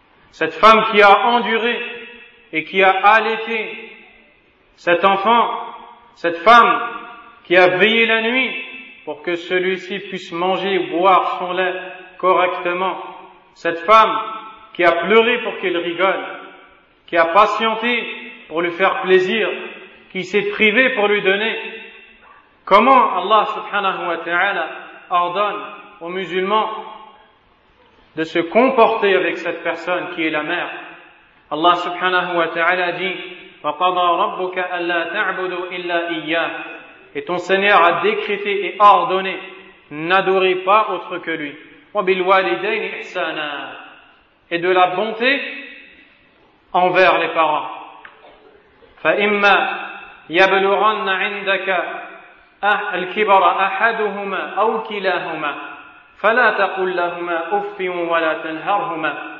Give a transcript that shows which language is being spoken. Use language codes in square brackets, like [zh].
[fr] Cette femme qui a enduré et qui a allaité cet enfant, cette femme qui a veillé la nuit pour que celui-ci puisse manger ou boire son lait correctement, cette femme qui a pleuré pour qu'il rigole, qui a patienté pour lui faire plaisir, qui s'est privée pour lui donner, comment Allah subhanahu wa ta'ala ordonne aux musulmans de se comporter avec cette personne qui est la mère? Allah subhanahu wa ta'ala dit [ar] وَقَضَى رَبُّكَ أَلَّا تَعْبُدُوا إِلَّا إِيَّاهُ. [fr] Et ton Seigneur a décrété et ordonné, n'adorez pas autre que lui. [ar] وَبِالْوَالِدَيْنِ إِحْسَانًا. [fr] Et de la bonté envers les parents. [ar] فَإِمَّا يَبْلُغَنَّ عِنْدَكَ الْكِبَرَ أَحَدُهُمَا أَوْ كِلَاهُمَا فَلَا تَقُلْ لَهُمَا أُفٍّ وَلَا تَنْهَرْهُمَا.